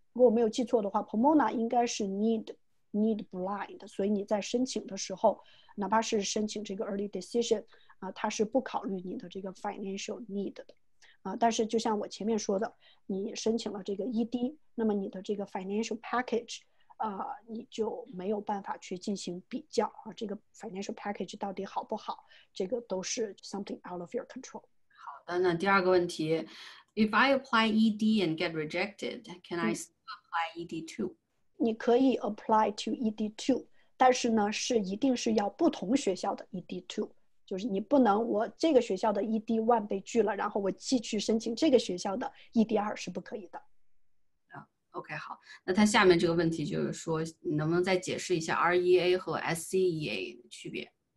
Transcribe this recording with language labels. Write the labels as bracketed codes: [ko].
[zh] 如果我没有记错的话，Pomona 应该是 need blind，所以你在申请的时候，哪怕是申请这个 early decision，它是不考虑你的这个 financial need 的，但是就像我前面说的，你申请了这个 ED，那么你的这个 financial package，你就没有办法去进行比较这个 financial package 到底好不好，这个都是 something out of your control。好的，那第二个问题， [en] If I apply ED and get rejected, can I still apply ED too？ [zh] 你可以 apply to ED two，但是呢，是一定是要不同学校的 ED two，就是你不能我这个学校的 ED one 被拒了，然后我继续申请这个学校的 ED 二是不可以的。 OK，好，那他下面这个问题就是说，你能不能再解释一下 REA 和 SCEA 的区别？